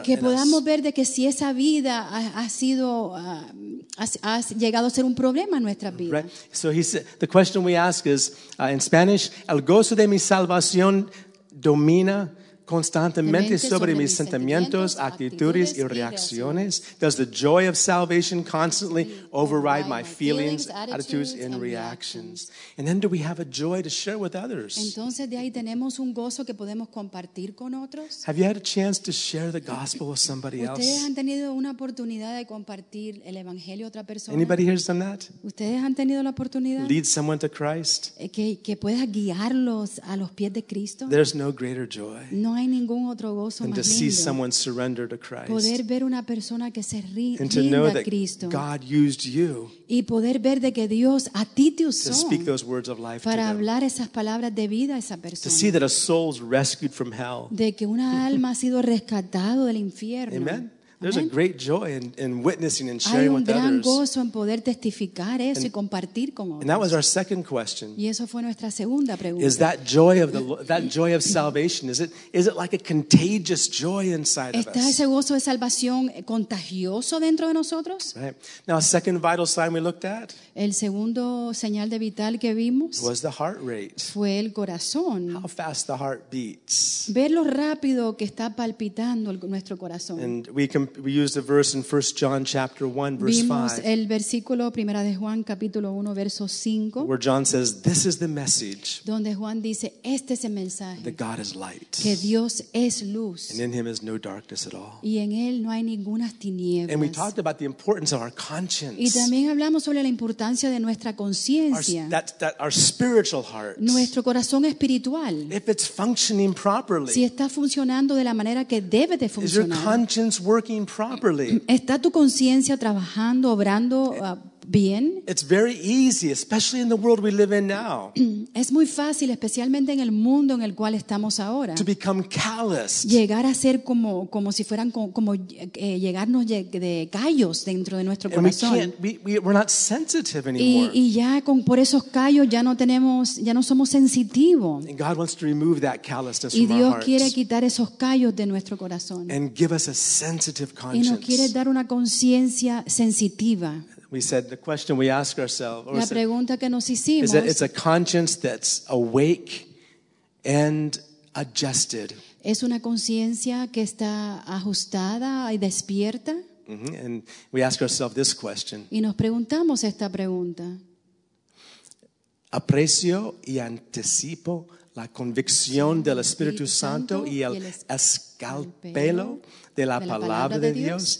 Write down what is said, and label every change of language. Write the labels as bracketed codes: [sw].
[es] Que podamos ver de que si esa vida ha llegado a ser un problema en nuestras vidas. [en] Right. So he said, the question we ask is in Spanish, [es] el gozo de mi salvación domina constantemente sobre mis sentimientos, actitudes y reacciones. [en] Does the joy of salvation constantly override my feelings, attitudes, and reactions? And then do we have a joy to share with others? [es] Entonces de ahí tenemos un gozo que podemos compartir con otros. [en] Have you had a chance to share the gospel with somebody else? [es] ¿Ustedes han tenido una oportunidad de compartir el evangelio a otra persona? [en] Anybody here has done that? [es] ¿Ustedes han tenido la oportunidad? [en] Lead someone to Christ? [es] Que puedas guiarlos a los pies de Cristo. [en] There's no greater joy. [es] No hay ningún otro gozo [en] than to see someone surrender to Christ. [es] Poder ver una persona que se rinde a Cristo. [en] And to know that God used you. [es] Y poder ver de que Dios a ti te usó. [en] To speak those words of life. [es] Para hablar esas palabras de vida a esa persona. [en] To see that a soul's rescued from hell. [es] De que una alma ha sido rescatado del infierno. [en] Amen. There's a great joy in witnessing and sharing with others. [es] Hay un gran gozo en poder testificar eso y compartir con otros. [en] And that was our second question. [es] Y eso fue nuestra segunda pregunta. [en] Is that joy of salvation? Is it like a contagious joy inside of us? [es] ¿Está ese gozo de salvación contagioso dentro de nosotros? [en] Right. Now, a second vital sign we looked at. [es] El segundo señal de vital que vimos. [en] Was the heart rate. [es] Fue el corazón. [en] How fast the heart beats. [es] Ver lo rápido que está palpitando nuestro corazón. [en] And we used a verse in 1 John chapter 1 verse 5. [es] Vimos el versículo primera de Juan capítulo 1 verso 5. [en] Where John says this is the message. [es] Donde Juan dice este es el mensaje. [en] That God is light. [es] Que Dios es luz. [en] And in him is no darkness at all. [es] Y en él no hay ninguna tiniebla. [en] And we talked about the importance of our conscience. [es] Y también hablamos sobre la importancia de nuestra conciencia. [en] That our spiritual heart. [es] Nuestro corazón espiritual. [en] If it's functioning properly. [es] Si está funcionando de la manera que debe de funcionar. [en] Is your conscience working properly? [es] ¿Está tu conciencia trabajando, obrando bien? [en] It's very easy, especially in the world we live in now. [es] Es muy fácil, especialmente en el mundo en el cual estamos ahora. [en] To become calloused. [es] Llegar a ser como si fueran como llegarnos de callos dentro de nuestro corazón. [en] We're not sensitive anymore. [es] Y ya con por esos callos ya no somos sensitivos. [en] And God wants to remove that callousness from our hearts. [es] Y Dios quiere quitar esos callos de nuestro corazón. [en] And give us a sensitive conscience. [es] Y nos quiere dar una conciencia sensitiva. [en] We said the question we ask ourselves, [es] la pregunta que nos hicimos, [en] is that it's a conscience that's awake and adjusted. [es] Es una conciencia que está ajustada y despierta. [en] Mm-hmm. And we ask ourselves this question. [es] Y nos preguntamos esta pregunta. Aprecio y anticipo la convicción del Espíritu Santo y el escalpelo de la palabra de Dios.